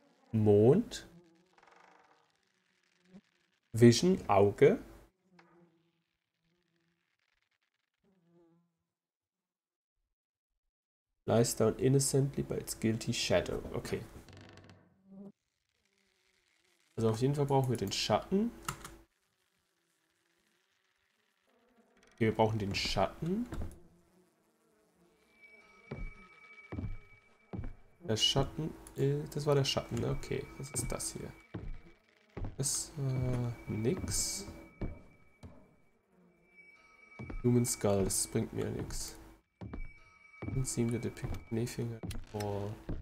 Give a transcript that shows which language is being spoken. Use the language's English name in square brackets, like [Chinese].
[German] Mond, Vision, Auge, [English] lies down innocently by its guilty shadow. Okay. [German] Also auf jeden Fall brauchen wir den Schatten. Okay, wir brauchen den Schatten. Der Schatten, das war der Schatten, okay. Was ist das hier? Das war nix. Human Skull, das bringt mir nix. [English] Don't seem to depict anything at all.